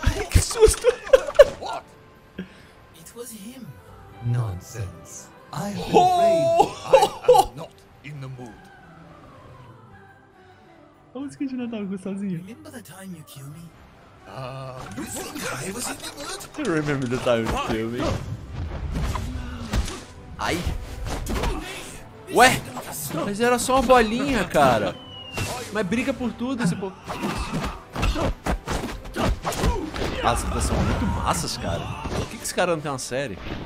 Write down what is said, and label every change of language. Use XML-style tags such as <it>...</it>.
<pt>Que susto!</pt> <en>What? It was him. Nonsense. I am not in the mood.</en> <pt>A música de Natal ficou sozinha.</pt> <en>Remember the time you killed me? You think I was in the mood? I remember the time you killed me. Ai. Ué?</en> <pt>Mas era só uma bolinha, cara. Mas briga por tudo esse povo. As lutas são muito massas, cara. Por que esse cara não tem uma série?</pt>